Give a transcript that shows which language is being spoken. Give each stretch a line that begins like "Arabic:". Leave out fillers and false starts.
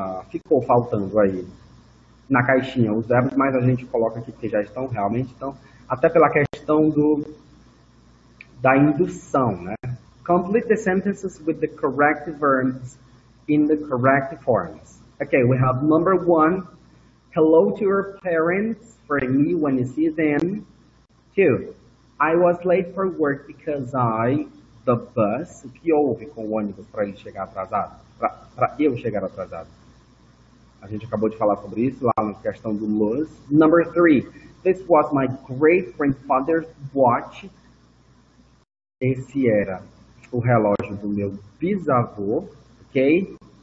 Portuguese: Ficou faltando aí na caixinha os verbos, mas a gente coloca aqui que já estão realmente. Então, até pela questão do... da indução, né?
English: Complete the sentences with the correct verbs in the correct forms. Okay, we have number one. Hello to your parents for me when you see them. Two. I was late for work because I... the bus.
Portuguese: O que houve com o ônibus para ele chegar atrasado? Para eu chegar atrasado. A gente acabou de falar sobre isso lá na questão do luz.
English: Number three. This was my great grandfather's watch.
Portuguese: Esse era o relógio do meu bisavô, ok?